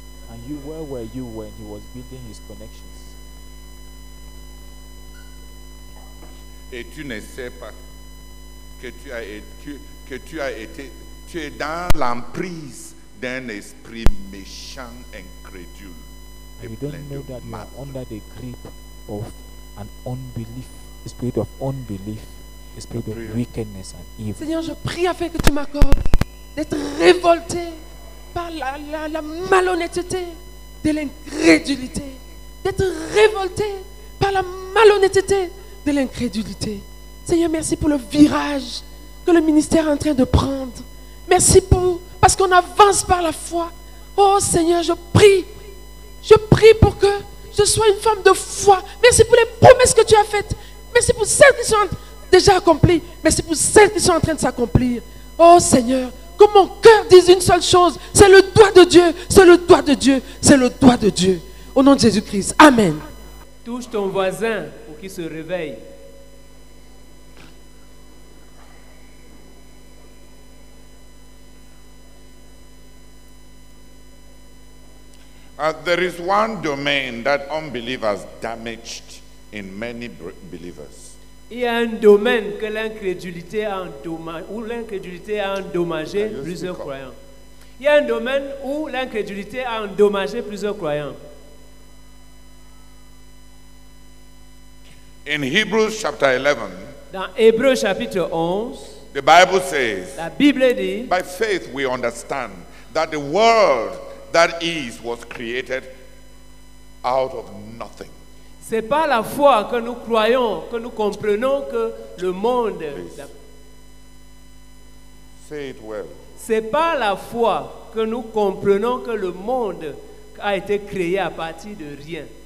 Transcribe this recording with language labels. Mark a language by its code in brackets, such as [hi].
[en] And you, where were you when he was building his connections? [fr] Et tu ne sais pas que tu as été, tu es dans l'emprise d'un esprit méchant, incrédule. And you don't know that you are under the grip of an unbelief, a spirit of unbelief, a spirit of wickedness and evil. Seigneur, je prie afin que tu m'accordes d'être révolté par la malhonnêteté de l'incrédulité, d'être révolté par la malhonnêteté de l'incrédulité. Seigneur, merci pour le virage que le ministère est en train de prendre. Merci pour, parce qu'on avance par la foi. Oh Seigneur, je prie pour que je sois une femme de foi. Merci pour les promesses que tu as faites. Merci pour celles qui sont déjà accomplies. Merci pour celles qui sont en train de s'accomplir. Oh Seigneur, que mon cœur dise une seule chose, c'est le doigt de Dieu, c'est le doigt de Dieu, c'est le doigt de Dieu. Au nom de Jésus-Christ, amen. Touche ton voisin pour qu'il se réveille. [en] There is one domain that unbelievers damaged in many believers. [fr] Il y a un domaine que l'incrédulité a où l'incrédulité a endommagé plusieurs croyants. Il y a un domaine où l'incrédulité a endommagé plusieurs croyants. [en] In Hebrews chapter 11, [fr] dans Hébreux chapitre 11, [en] The Bible says, [fr] la Bible dit, [en] by faith we understand that the world that is was created out of nothing. [fr] C'est par la foi que nous croyons, que nous comprenons que le monde. [en] Say it well. [fr] C'est par la foi que nous comprenons que le monde a été créé à partir de rien.